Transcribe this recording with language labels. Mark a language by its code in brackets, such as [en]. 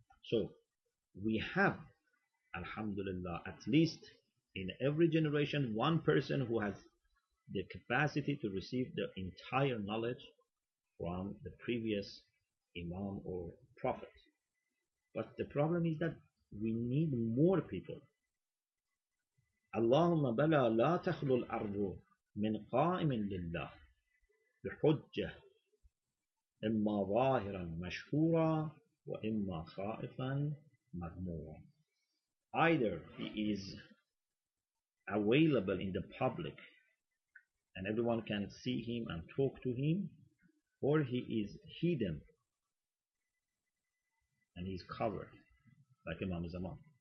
[en] So we have, alhamdulillah, at least in every generation, one person who has the capacity to receive the entire knowledge from the previous Imam or Prophet. But the problem is that we need more people. [ar] اللهم بلا لا تخلو الأرض من قائم لله بحجة إما ظاهرا مشهورا وإما خائفا مغمورا. [en] Either he is available in the public and everyone can see him and talk to him, or he is hidden and he is covered, like Imam Zaman.